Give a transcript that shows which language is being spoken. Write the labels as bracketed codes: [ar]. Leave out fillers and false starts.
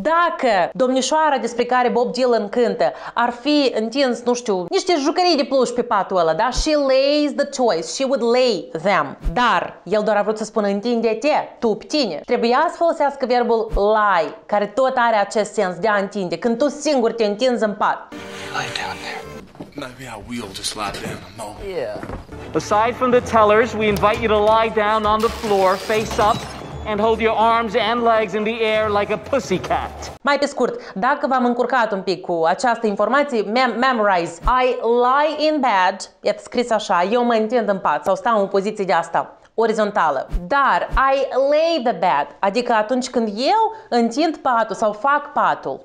[ro] Dacă domnișoara despre care Bob Dylan cântă ar fi întins, nu știu, niște jucării de pluș pe patul ăla, da, [en] she lays the toys, she would lay them. [ro] Dar el doar a vrut să spună întinde-te, tu ptine. Trebuia să folosească verbul lie, care tot are acest sens de a întinde, când tu singur te întinzi în pat. [en] Lie down there. Maybe I will just lie down a moment. Yeah. Aside from the tellers, we invite you to lie down on the floor, face up, and hold your arms and legs in the air like a pussycat. [ro] Mai pe scurt, dacă v-am încurcat un pic cu această informație, memorize. [en] I lie in bed, [ro] e scris așa, eu mă întind în pat sau stau în poziție de asta, orizontală. Dar [en] I lay the bed, [ro] adică atunci când eu întind patul sau fac patul.